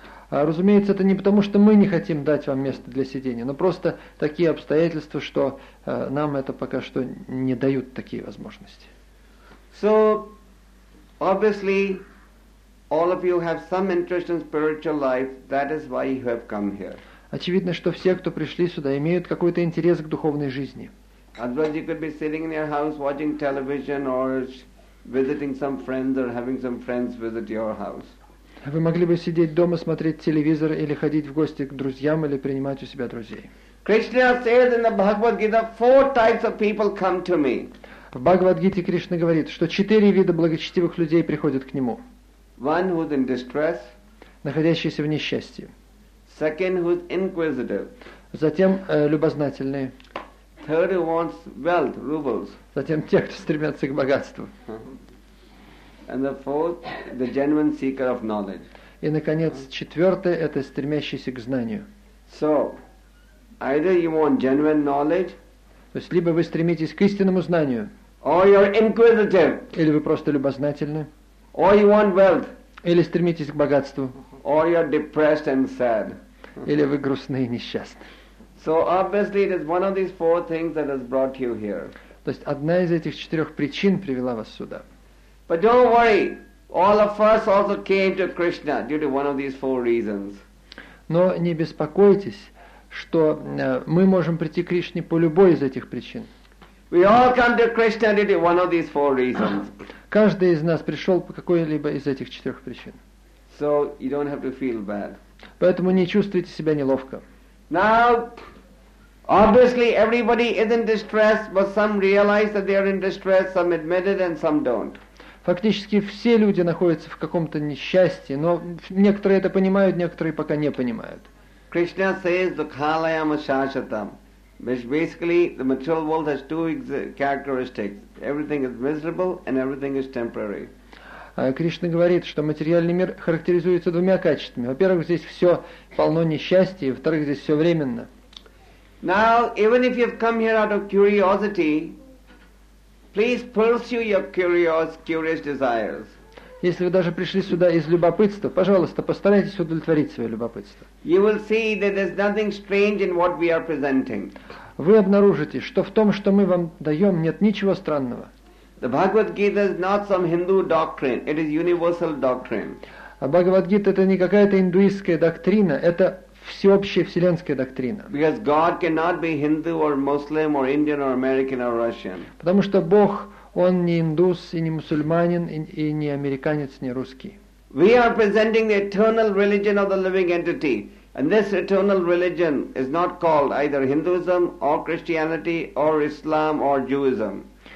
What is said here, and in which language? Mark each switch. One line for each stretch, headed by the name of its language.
Russian: Разумеется, это не потому, что мы не хотим дать вам место для сидения, но просто такие обстоятельства, что нам это пока что не дают такие возможности.
English: So, obviously, all of you have some interest in spiritual life, that is why you have come here.
Russian: Очевидно, что все, кто пришли сюда, имеют какой-то интерес к духовной жизни.
English: Otherwise, you could be sitting in your house watching television or visiting some friends or having some friends visit your house.
Russian: Вы могли бы сидеть дома, смотреть телевизор или ходить в гости к друзьям или принимать у себя друзей.
English: Krishna says in the Bhagavad Gita, four types of people come to me.
Russian: В Бхагавад-гите Кришна говорит, что четыре вида благочестивых людей приходят к нему.
English: One who's in distress.
Russian: Находящийся в несчастье.
English: Second, who is inquisitive.
Russian: Затем любознательные.
English: Third, who wants wealth, rubles.
Russian: Затем те, кто стремятся к богатству.
English: And the fourth, the genuine seeker of knowledge.
Russian: И, наконец, четвертое – это стремящийся к знанию.
English: So, either you want genuine knowledge.
Russian: То есть либо вы стремитесь к истинному знанию.
English: Or you're inquisitive.
Russian: Или вы просто любознательны.
English: Or you want wealth.
Russian: Или стремитесь к богатству.
English: Or you're depressed and sad.
Russian: Или вы грустны и несчастны.
English: So obviously it is one of these four things that has brought you here.
Russian: То есть одна из этих четырех причин привела вас сюда.
English: But don't worry, all of us also came to Krishna due to one of these four reasons.
Russian: Но не беспокойтесь, что мы можем прийти к Кришне по любой из этих причин.
English: We all come to Krishna due to one of these four reasons.
Russian: Каждый из нас пришел по какой-либо из этих четырех причин.
English: So you don't have to feel bad.
Russian: Поэтому не чувствуйте себя неловко.
English: Now, obviously, everybody is in distress, but some realize that they are in distress, some admit it, and some don't.
Russian: Фактически все люди находятся в каком-то несчастье, но некоторые это понимают, некоторые пока не понимают.
English: Krishna says
Sanskrit: dukhalayam ashashatam,
English: which basically the material world has two characteristics: everything is miserable and everything is temporary.
Russian: Кришна говорит, что материальный мир характеризуется двумя качествами. Во-первых, здесь все полно несчастья, во-вторых, здесь все временно.
English: Now, even if you've come here out of curiosity, please pursue your curious desires.
Russian: Если вы даже пришли сюда из любопытства, пожалуйста, постарайтесь удовлетворить свое любопытство.
English: You will see that there's nothing strange in what we are presenting.
Russian: Вы обнаружите, что в том, что мы вам даем, нет ничего странного.
English: The Bhagavad Gita is not some Hindu doctrine, it is universal doctrine.
Russian: А Бхагавад Гита это не какая-то индуистская доктрина, это всеобщая вселенская доктрина.
English: Because God cannot be Hindu or Muslim or Indian or American or Russian.
Russian: Потому что Бог, он не индус и не мусульманин и не американец, не русский.
English: We are presenting the eternal religion of the living entity, and this eternal religion is not called either Hinduism or Christianity or Islam or Judaism.